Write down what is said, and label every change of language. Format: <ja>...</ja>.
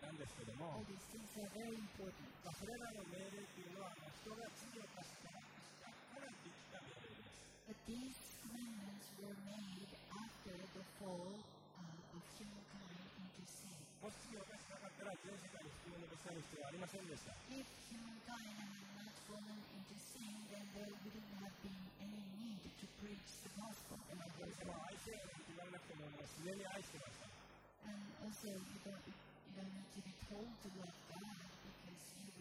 <ja>もし罪を犯したかったら、全世界に福音を述べさえる必要はありませんでした。</ja> <en>If humankind had not fallen into sin, then there wouldn't have been any need to preach the gospel.</en> <ja>でも、神様は愛せよと言われなくても、自然に愛してました。</ja> <en>And also, you don't need to be told to love God. Because you would have been able to love God. And you would have been able to love your neighbor. These commandments were made after the fall of man.</en>